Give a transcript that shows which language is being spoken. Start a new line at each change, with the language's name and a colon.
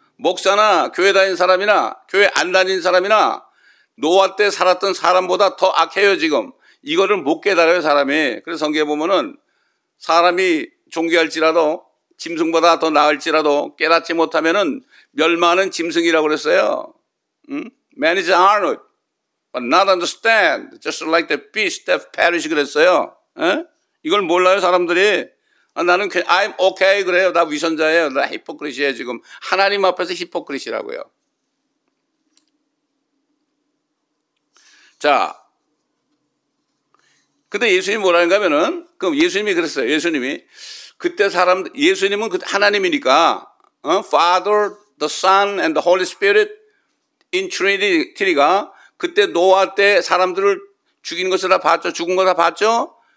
Korean: 목사나 교회 다닌 사람이나 교회 안 다닌 사람이나 노아 때 살았던 사람보다 더 악해요, 지금. 이거를 못 깨달아요, 사람이. 그래서 성경에 보면은 사람이 존귀할지라도 짐승보다 더 나을지라도 깨닫지 못하면은 멸망하는 짐승이라고 그랬어요. 응?
English: Man is honored, but not understand, just like the beast that perish
Korean: 그랬어요. 응? 이걸 몰라요, 사람들이. 아, 나는
English: I'm okay
Korean: 그래요. 나 위선자예요. 나 히포크릿이에요 지금. 하나님 앞에서 히포크릿이라고요. 자, 근데 예수님 뭐라는가 하면은 그 예수님이 그랬어요. 예수님이 그때 사람 예수님은 그 하나님이니까
English: Father, the Son, and the Holy Spirit in Trinity
Korean: 가 그때 노아 때 사람들을 죽인 것을 다 봤죠. 죽은 것을 다 봤죠.